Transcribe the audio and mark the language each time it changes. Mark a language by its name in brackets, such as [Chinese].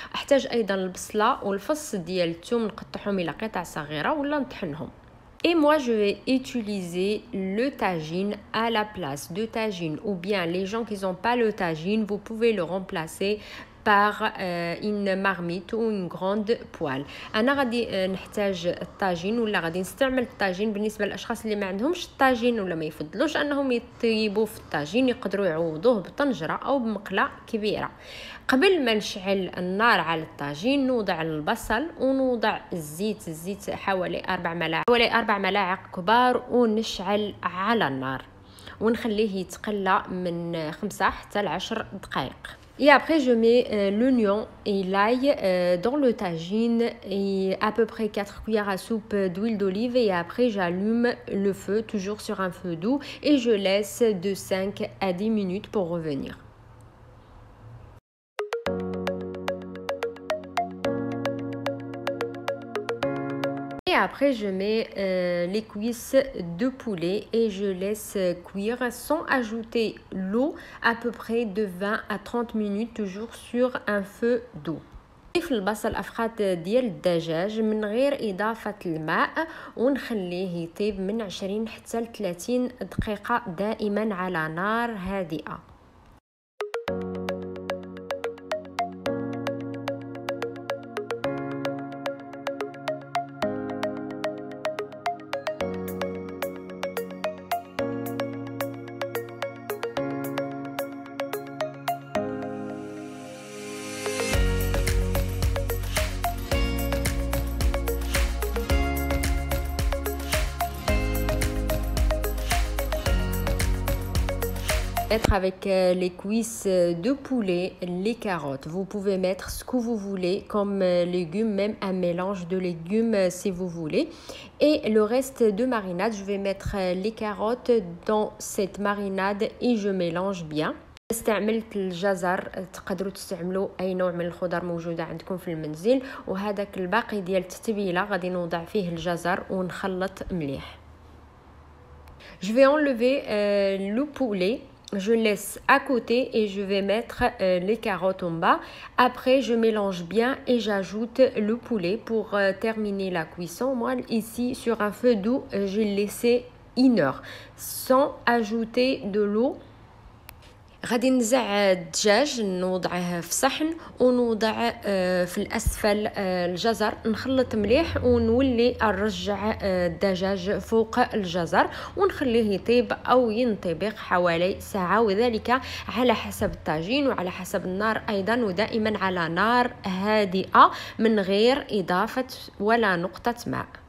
[Arabic] احتاج ايضا البصلة والفص ديال الثوم نقطعهم الى قطع صغيرة ولا نطحنهم. [French] Et moi, je vais utiliser le tagine à la place de tagine, ou bien les gens qui n'ont pas le tagine, vous pouvez le remplacer par une marmite ou une grande poêle. [Arabic] انا غادي نحتاج الطاجين ولا غادي نستعمل الطاجين. بالنسبه للاشخاص اللي ما عندهمش الطاجين ولا ما يفضلوش انهم يطيبوا في الطاجين، يقدروا يعوضوه بطنجره او بمقله كبيره. قبل ما نشعل النار على الطاجين، نوضع البصل ونوضع الزيت. الزيت حوالي 4 ملاعق، حوالي 4 ملاعق كبار، ونشعل على النار ونخليه يتقلى من 5 حتى 10 دقائق. [French] Et après, je mets l'oignon et l'ail dans le tagine et à peu près 4 cuillères à soupe d'huile d'olive. Et après, j'allume le feu, toujours sur un feu doux, et je laisse de 5 à 10 minutes pour revenir. Et après, je mets les cuisses de poulet et je laisse cuire sans ajouter l'eau à peu près de 20 à 30 minutes, toujours sur un feu doux. [Arabic] نضيف البصل افخاد ديال الدجاج من غير اضافه الماء ونخليه يطيب من 20 حتى 30 دقيقه دائما على نار هادئه. [French] Mettre avec les cuisses de poulet les carottes. Vous pouvez mettre ce que vous voulez comme légumes, même un mélange de légumes si vous voulez. Et le reste de marinade, je vais mettre les carottes dans cette marinade et je mélange bien. [Arabic] استعملت الجزر، تقدروا تستعملوا اي نوع من الخضر موجوده عندكم في المنزل، وهذاك الباقي ديال التتبيله غادي نوضع فيه الجزر ونخلط مليح. [French] Je vais enlever le poulet Je laisse à côté et je vais mettre les carottes en bas. Après, je mélange bien et j'ajoute le poulet pour terminer la cuisson. Moi, ici, sur un feu doux, je l'ai laissé 1 heure sans ajouter de l'eau. [Arabic] غادي نزع الدجاج نوضعه في صحن ونوضع في الأسفل الجزر نخلط مليح ونولي نرجع الدجاج فوق الجزر ونخليه يطيب أو ينطبخ حوالي ساعة وذلك على حسب الطاجين وعلى حسب النار أيضا ودائما على نار هادئة من غير إضافة ولا نقطة ماء.